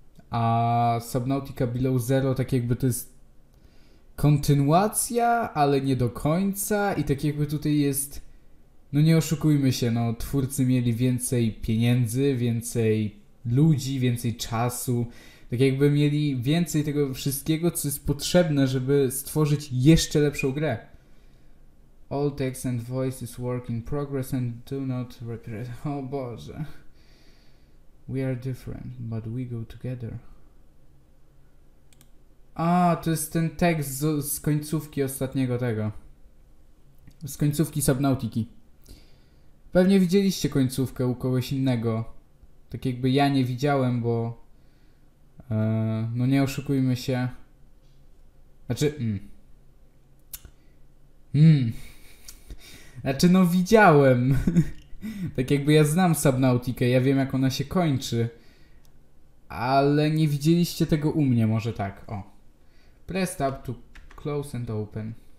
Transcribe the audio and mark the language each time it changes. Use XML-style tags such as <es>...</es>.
<pl>A Subnautica Below Zero tak jakby to jest kontynuacja, ale nie do końca. I tak jakby tutaj jest, no nie oszukujmy się, no twórcy mieli więcej pieniędzy, więcej ludzi, więcej czasu. Tak jakby mieli więcej tego wszystkiego, co jest potrzebne, żeby stworzyć jeszcze lepszą grę.</pl> <en>All text and voice is work in progress and do not regret.</en> <pl>O Boże.</pl> <en>We are different, but we go together.</en> <pl>A, to jest ten tekst z końcówki ostatniego tego. Z końcówki Subnautiki. Pewnie widzieliście końcówkę u kogoś innego. Tak jakby ja nie widziałem, bo no nie oszukujmy się. Znaczy, znaczy, no widziałem. Tak jakby ja znam Subnauticę, ja wiem, jak ona się kończy. Ale nie widzieliście tego u mnie, może tak. O.</pl> <en>Press tab to close and open.</en>